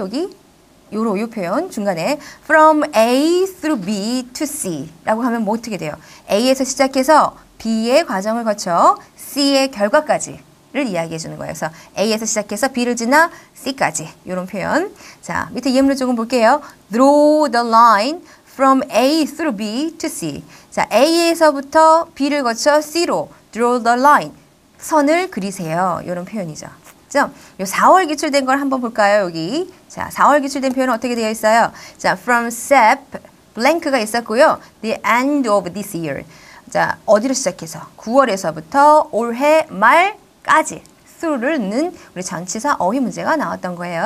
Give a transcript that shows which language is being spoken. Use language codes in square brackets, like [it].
[ko] 여기 요로 요 표현 중간에 from A through B to C 라고 하면 뭐 어떻게 돼요? A에서 시작해서 B의 과정을 거쳐 C의 결과까지를 이야기해 주는 거예요. 그래서 A에서 시작해서 B를 지나 C까지 이런 표현. 자, 밑에 예문을 조금 볼게요. [en] Draw the line from A through B to C. [ko] 자, A에서부터 B를 거쳐 C로 [en] draw the line. [ko] 선을 그리세요. 이런 표현이죠. 그렇죠? 4월 기출된 걸 한번 볼까요? 여기. 자, 4월 기출된 표현은 어떻게 되어 있어요? 자, from SEP, blank가 있었고요. [en] The end of this year. [ko] 자, 어디로 시작해서? 9월에서부터 올해 말까지. through를 넣는 우리 전치사 어휘 문제가 나왔던 거예요.